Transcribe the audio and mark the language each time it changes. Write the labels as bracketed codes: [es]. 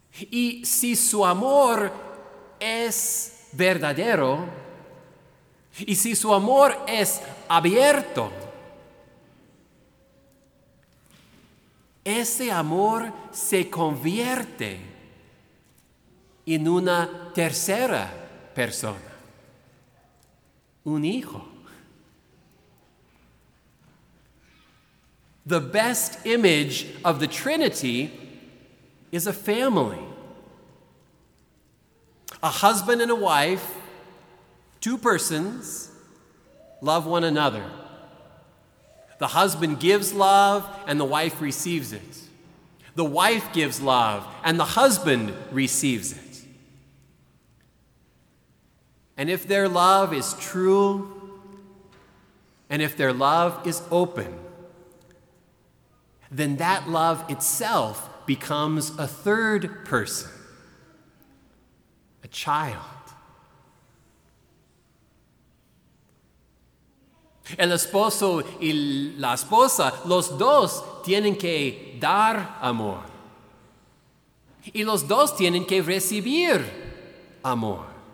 [es] Y si su amor es verdadero, y si su amor es abierto, ese amor se convierte en una tercera persona, un hijo. [en] The best image of the Trinity is a family. A husband and a wife, two persons, love one another. The husband gives love and the wife receives it. The wife gives love and the husband receives it. And if their love is true, and if their love is open, then that love itself becomes a third person, a child. [es] El esposo y la esposa, los dos tienen que dar amor. Y los dos tienen que recibir amor.